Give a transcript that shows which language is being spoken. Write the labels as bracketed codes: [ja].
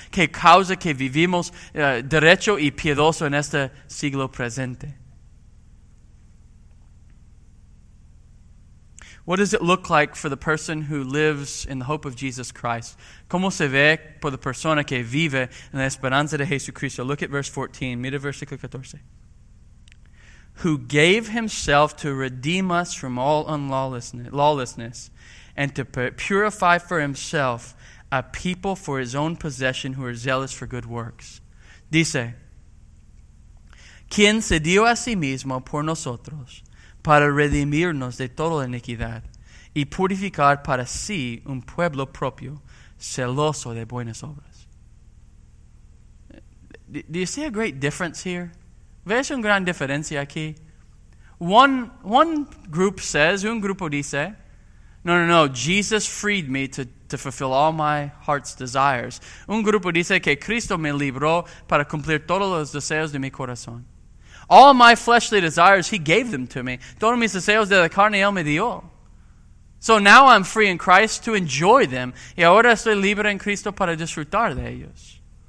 [es] Que causa que vivimos derecho y piedoso en este siglo presente. [en] What does it look like for the person who lives in the hope of Jesus Christ? [es] ¿Cómo se ve por la persona que vive en la esperanza de Jesucristo? [en] Look at verse 14. [es] Mira versículo 14. [en] Who gave himself to redeem us from all lawlessness and to purify for himself a people for his own possession who are zealous for good works. [es] Dice, quien se dio a sí mismo por nosotros para redimirnos de toda la iniquidad y purificar para sí un pueblo propio celoso de buenas obras. [en] Do you see a great difference here? [es] ¿Ves una gran diferencia aquí? [en] One group says, [es] un grupo dice, no, [en] Jesus freed me to fulfill all my heart's desires. [es] Un grupo dice que Cristo me libró para cumplir todos los deseos de mi corazón. [en] All my fleshly desires, he gave them to me. [es] Todos mis deseos de la carne, él me dio. [en] So now I'm free in Christ to enjoy them. [es] Y ahora estoy libre en Cristo para disfrutar de ellos.